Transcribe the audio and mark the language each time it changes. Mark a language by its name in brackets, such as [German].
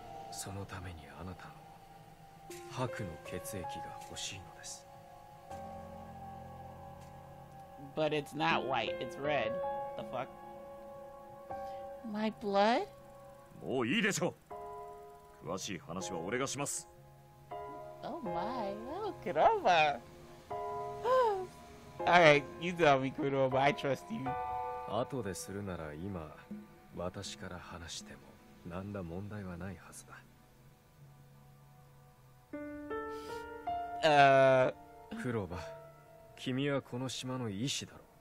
[Japanese] そのためにあなたの箔の血液が欲しいのです。 [English] But it's not white, it's red. The fuck? My blood? [Japanese] もういいでしょう。詳しい話は俺がします。 [English] Oh my, oh, Kuroba. Alright, you tell me, Kuroba, I trust you. [Japanese] 後でするなら今、私から話しても何ら問題はないはずだ。 Kuroba, 君はこの島の医師だろう。